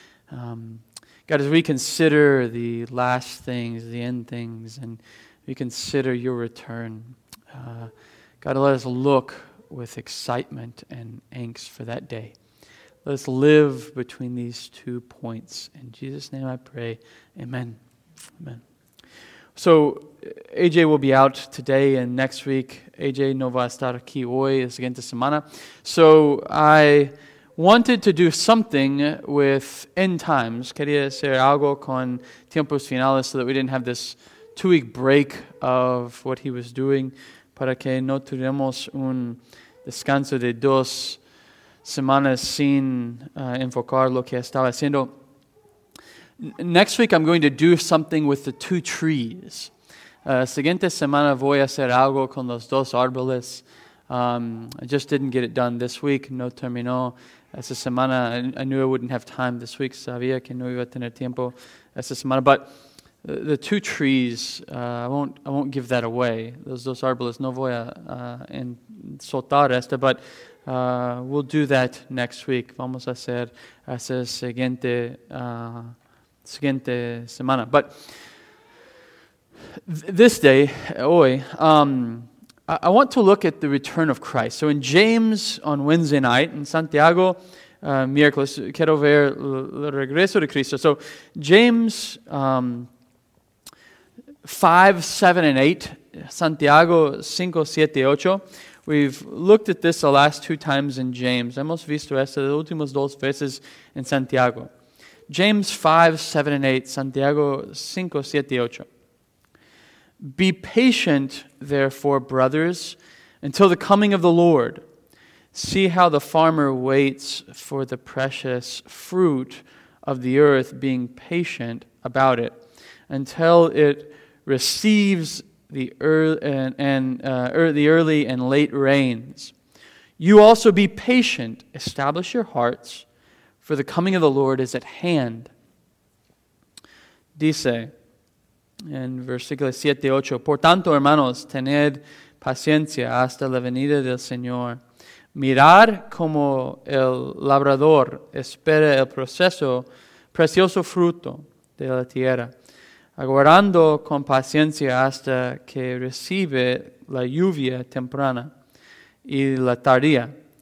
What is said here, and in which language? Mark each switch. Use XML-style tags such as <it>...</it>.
<en>God, as we consider the last things, the end things, and we consider your return, God, let us look with excitement and angst for that day. Let us live between these two points. In Jesus' name I pray, amen. Amen. So, AJ will be out today and next week.</en> <es>AJ no va a estar aquí hoy, la siguiente semana.</es> <en>So, I wanted to do something with end times.</en> <es>Quería hacer algo con tiempos finales</es> <en>so that we didn't have this two-week break of what he was doing.</en> <es>Para que no tuviéramos un descanso de dos semanas sin enfocar lo que estaba haciendo.</es> <en>Next week, I'm going to do something with the two trees.</en> <es>Siguiente semana voy a hacer algo con los dos árboles.</es> <en>I just didn't get it done this week.</en> <es>No terminó esa semana.</es> <en>I knew I wouldn't have time this week.</en> <es>Sabía que no iba a tener tiempo esa semana.</es> <en>But the two trees, I won't give that away. Those árboles.</en> <es>No voy a soltar esta,</es> <en>but we'll do that next week.</en> <es>Vamos a hacer esa siguiente siguiente semana.</es> <en>But this day, hoy, I want to look at the return of Christ. So in James on Wednesday night, in</en> <es>Santiago, miércoles, quiero ver el regreso de Cristo.</es> <en>So James 5, 7, and 8, Santiago 5, 7, 8. We've looked at this the last two times in James.</en> <es>Hemos visto esto las últimas dos veces en Santiago.</es> <en>James 5, 7, and 8, Santiago 5, 7, 8. Be patient, therefore, brothers, until the coming of the Lord. See how the farmer waits for the precious fruit of the earth, being patient about it, until it receives the early and late rains. You also be patient, establish your hearts, for the coming of the Lord is at hand.</en> <es>Dice, en versículo 7, 8, por tanto, hermanos, tened paciencia hasta la venida del Señor. Mirad como el labrador espera el proceso, precioso fruto de la tierra, aguardando con paciencia hasta que recibe la lluvia temprana y la tardía.</es>